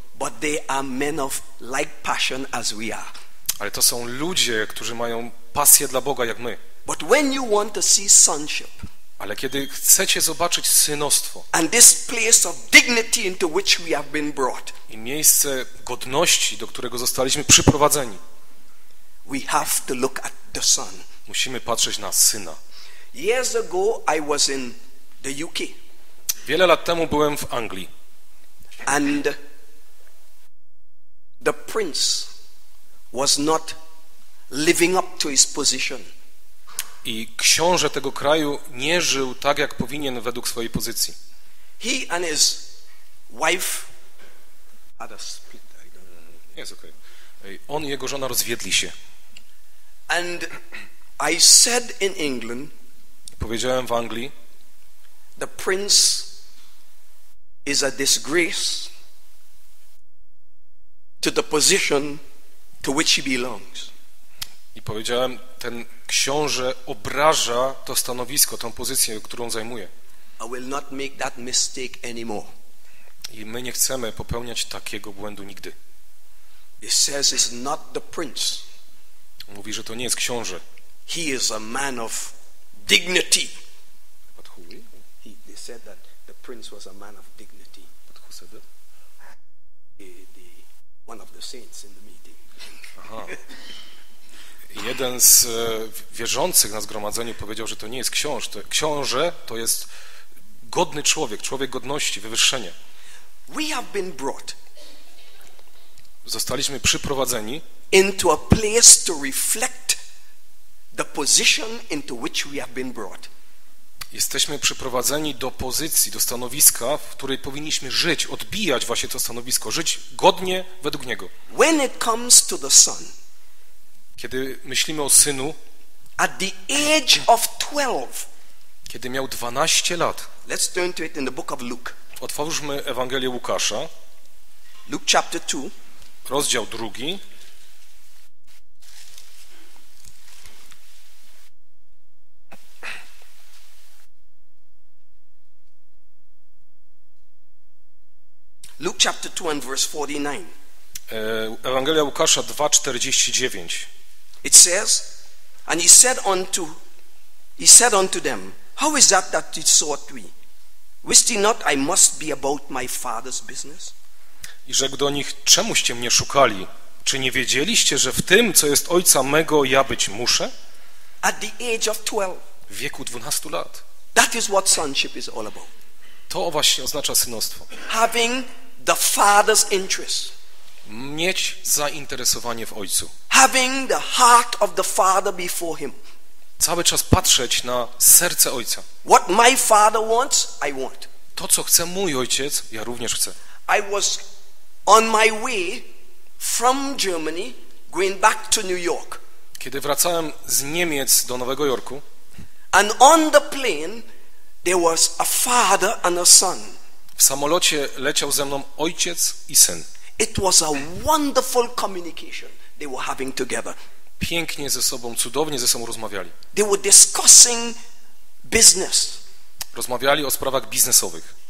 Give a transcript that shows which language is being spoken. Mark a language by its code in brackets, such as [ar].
[en] But they are men of like passion as we are. [pl] Ale to są ludzie, którzy mają pasję dla Boga jak my. [en] But when you want to see sonship, [pl] ale kiedy chcecie zobaczyć synostwo, [en] and this place of dignity into which we have been brought, [pl] i miejsce godności, do którego zostaliśmy przyprowadzeni, [en] we have to look at the son. [pl] Musimy patrzeć na Syna. [en] Years ago I was in the UK. [pl] Wiele lat temu byłem w Anglii. [en] And the prince was not living up to his position. [pl] I książę tego kraju nie żył tak, jak powinien według swojej pozycji. [en] He and his wife had a split. Yes, okay. [pl] On i jego żona rozwiedli się. [en] And I said in England, [pl] powiedziałem w Anglii, [en] the prince is a disgrace to the position to which he belongs. [pl] I powiedziałem, ten książę obraża to stanowisko, tą pozycję, którą zajmuje. [en] I will not make that mistake anymore. [pl] I my nie chcemy popełniać takiego błędu nigdy. [en] He says it's not the prince. [pl] Mówi, że to nie jest książę. [en] He is a man of dignity. But who? He said that the prince was a man of dignity. But who said that? The one of the saints in the meeting. Aha. [pl] Jeden z wierzących na zgromadzeniu powiedział, że to nie jest książę. Książę to jest godny człowiek, człowiek godności, wywyższenie. [en] We have been brought. [pl] Zostaliśmy przyprowadzeni [en] into a place to reflect the position into which we have been brought. [pl] Jesteśmy przyprowadzeni do pozycji, do stanowiska, w której powinniśmy żyć, odbijać właśnie to stanowisko, żyć godnie według niego. [en] When it comes to the son. [pl] Kiedy myślimy o synu, [en] at the age of 12. [pl] Kiedy miał 12 lat. [en] Let's turn to it in the book of Luke. [pl] Otwórzmy Ewangelię Łukasza. [en] Luke chapter 2. [pl] Rozdział 2. [en] Luke chapter 2 and verse 49. [pl] Ewangelia Łukasza 2:49. [en] It says, and he said unto them, how is that ye sought me? Wist ye not I must be about my father's business? [pl] I rzekł do nich, czemuście mnie szukali? Czy nie wiedzieliście, że w tym, co jest ojca mego, ja być muszę? [en] At the age of 12. [pl] W wieku 12 lat. [en] That is what sonship is all about. [pl] To właśnie oznacza synostwo. [en] Having the father's interest. [pl] Mieć zainteresowanie w ojcu. [en] Having the heart of the father before him. [pl] Cały czas patrzeć na serce ojca. [en] What my father wants, I want. [pl] To, co chce mój ojciec, ja również chcę. [en] I was on my way from Germany going back to New York. [pl] Kiedy wracałem z Niemiec do Nowego Jorku. [en] And on the plane there was a father and a son. [pl] W samolocie leciał ze mną ojciec i syn. [en] It was a wonderful communication they were having together. [pl] Pięknie ze sobą, cudownie ze sobą rozmawiali. [en] They were discussing business. [pl] Rozmawiali o sprawach biznesowych.